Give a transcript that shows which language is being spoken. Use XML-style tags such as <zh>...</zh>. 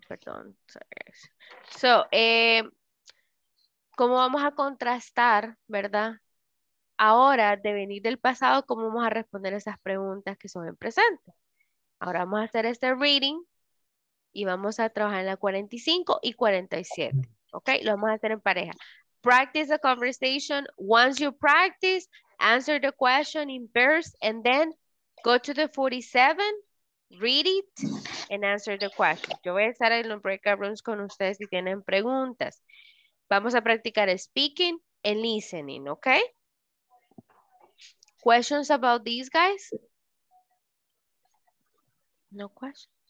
<es>Perdón, sorry. So, ¿cómo vamos a contrastar, verdad? Ahora, de venir del pasado, ¿cómo vamos a responder esas preguntas que son en presente? Ahora vamos a hacer este reading y vamos a trabajar en la 45 y 47, ¿ok? Lo vamos a hacer en pareja.</es> <en>Practice the conversation. Once you practice, answer the question in pairs and then go to the 47, read it, and answer the question.</en> <es>Yo voy a estar en los breakout rooms con ustedes si tienen preguntas. Vamos a practicar</es> <en>speaking and listening, okay? Questions about these guys? No questions?</en>